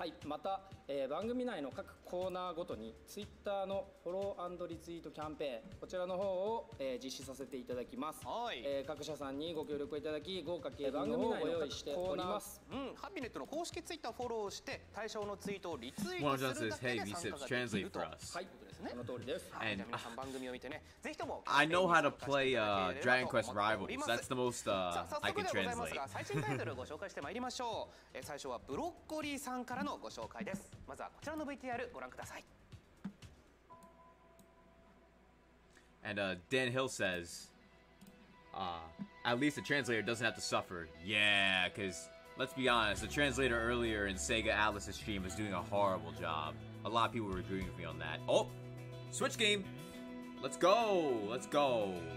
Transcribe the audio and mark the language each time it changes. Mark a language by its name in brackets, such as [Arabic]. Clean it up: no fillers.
[Japanese] はい、また、番組内の各コーナーごとにツイッターのフォロー&リツイートキャンペーン、こちらの方を、実施させていただきます。はい、各社さんにご協力いただき豪華系番組をご用意しております。うん、ハピネットの公式ツイッターフォローして対象のツイートをリツイートするだけで参加ができると。 [English] Hey, for us. [Japanese] はい、その通りです。はい、じゃあ皆さん番組を見てね、ぜひとも [English] I know how to play Dragon Quest Rivals. That's the most I can translate. [Japanese] 早速でございますが、最新タイトルをご紹介してまいりましょう。最初はブロッコリーさんからのご紹介です。まずはこちらの VTR ご覧ください。 [English] And Dan Hill says at least the translator doesn't have to suffer. Yeah, because let's be honest, the translator earlier in Sega Atlas's stream was doing a horrible job. A lot of people were agreeing with me on that. Oh! Switch game! Let's go!